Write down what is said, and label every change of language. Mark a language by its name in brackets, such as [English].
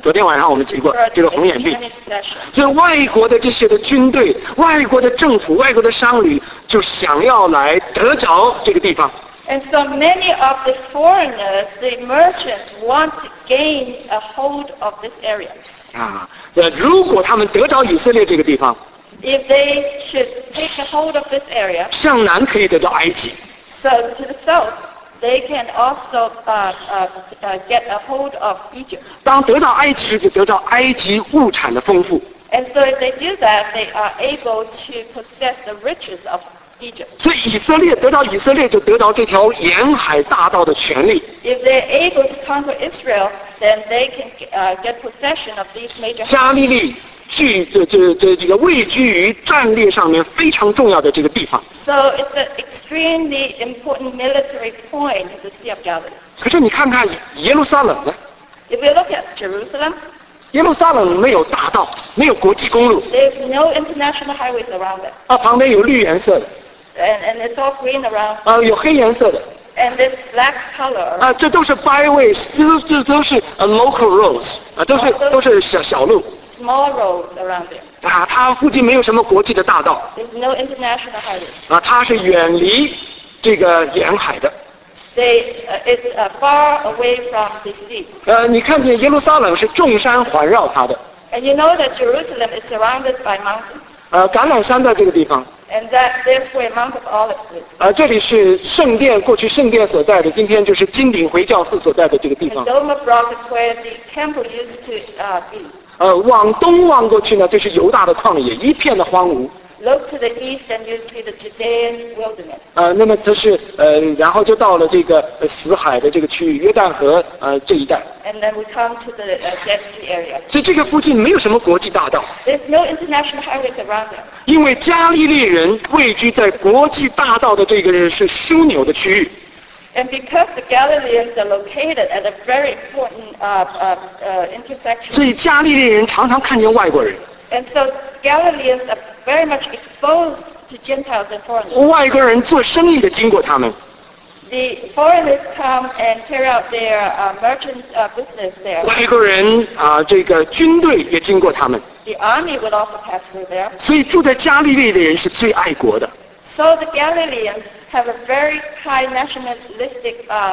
[Chinese] 昨天晚上我们提过这个红眼病。所以外国的这些的军队、外国的政府、外国的商旅就想要来得着这个地方。 [English] And so many of the foreigners, the merchants, want to gain a hold of this area. [Chinese] 如果他们得着以色列这个地方， [English] if they should take a hold of this area, [Chinese] 向南可以得到埃及。 [English] So to the south. They can also get a hold of Egypt. [Chinese] 当得到埃及，就得到埃及物产的丰富。 [English] And so if they do that, they are able to possess the riches of Egypt. [Chinese] 所以以色列得到以色列，就得到这条沿海大道的权利。 [English] If they're able to conquer Israel, then they can get possession of these major. [Chinese] 加利利。这个位居于战略上面非常重要的这个地方。 [English] So it's an extremely important military point, the Sea of Galilee. [Chinese] 可是你看看耶路撒冷呢？ [English] If you look at Jerusalem, [Chinese] 耶路撒冷没有大道，没有国际公路。 [English] There's no international highways around it. [Chinese] 旁边有绿颜色的。 [English] And it's all green around. [Chinese] 有黑颜色的。 [English] And this black color. [Chinese] 这都是 byways, 这都是 [English] local roads, [Chinese] 都是小路。 [English] Small roads around there. [Chinese] 它附近没有什么国际的大道。 [English] There's no international highway. [Chinese] 它是远离这个沿海的。 [English] It's far away from the sea. [Chinese] 你看见耶路撒冷是众山环绕它的。 [English] And you know that Jerusalem is surrounded by mountains. [Chinese] 橄榄山在这个地方。 [English] And that's where Mount of Olives is. [Chinese] 这里是圣殿，过去圣殿所在的，今天就是金顶回教寺所在的这个地方。 [English] The Dome of Rock is where the temple used to be. [Chinese] 往东望过去呢，就是犹大的旷野，一片的荒芜。 [English] Look to the east and you see the Judean wilderness. [Chinese] 那么这是然后就到了这个死海的这个区域，约旦河这一带。 [English] And then we come to the Dead Sea area. [Chinese] 所以这个附近没有什么国际大道。 [English] There's no international highways around there. [Chinese] 因为加利利人位居在国际大道的这个是枢纽的区域。 [English] And because the Galileans are located at a very important intersection. [Chinese] 所以加利利人常常看见外国人。 [English] And so Galileans are very much exposed to Gentiles and foreigners. [Chinese] 外国人做生意的经过他们。 [English] The foreigners come and carry out their merchant business there. [Chinese] 外国人这个军队也经过他们。 [English] The army would also pass through there. [Chinese] 所以住在加利利的人是最爱国的。 [English] So the Galileans have a very high nationalistic